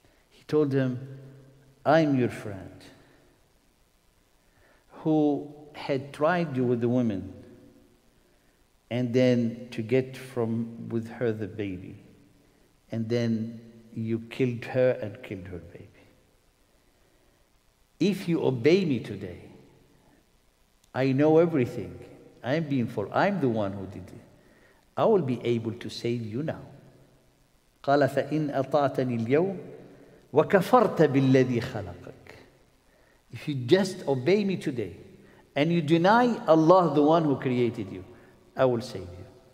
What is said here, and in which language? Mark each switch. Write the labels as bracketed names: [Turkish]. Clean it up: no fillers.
[English] He told him, I'm your friend who had tried you with the woman and then to get from with her the baby. And then you killed her and killed her baby. If you obey me today, I know everything. I'm the one who did it. I will be able to save you now. [Arabic] قال فإن أطعتني اليوم وكفرت بالذي خلقك. [English] If you just obey me today and you deny Allah, the one who created you, I will save you.